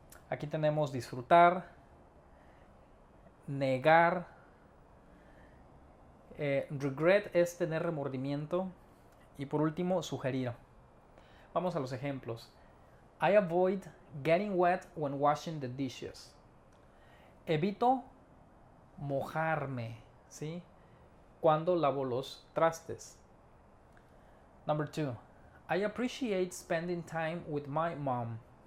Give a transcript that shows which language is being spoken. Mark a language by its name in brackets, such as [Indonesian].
[Spanish] Aquí tenemos disfrutar, negar. Regret es tener remordimiento. Y por último, sugerir. Vamos a los ejemplos. [English] I avoid getting wet when washing the dishes. [Spanish] Evito mojarme, ¿sí?, cuando lavo los trastes. [English] Number 2. I appreciate spending time with my mom.